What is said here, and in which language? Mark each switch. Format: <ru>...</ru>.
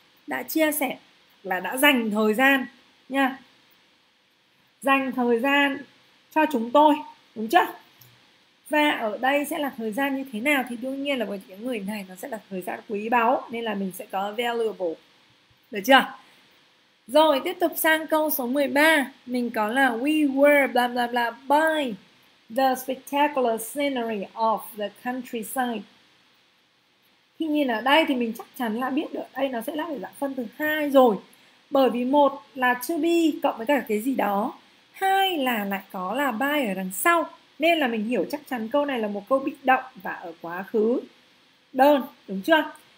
<vi>Đã chia sẻ là đã dành thời gian nha. Dành thời gian cho chúng tôi, đúng chưa? Và ở đây sẽ là thời gian như thế nào? Thì đương nhiên là với những người này nó sẽ là thời gian quý báu, nên là mình sẽ có valuable. Được chưa? Rồi, tiếp tục sang câu số 13. Mình có là</vi> <en>we were blah blah blah by the spectacular scenery of the countryside.</en> <vi>Khi nhìn ở đây thì mình chắc chắn là biết được đây nó sẽ là cái dạng phân từ hai rồi. Bởi vì một là to be cộng với cả cái gì đó, hai là lại có là by ở đằng sau, nên là mình hiểu chắc chắn câu này là một câu bị động và ở quá khứ đơn, đúng chưa?</vi>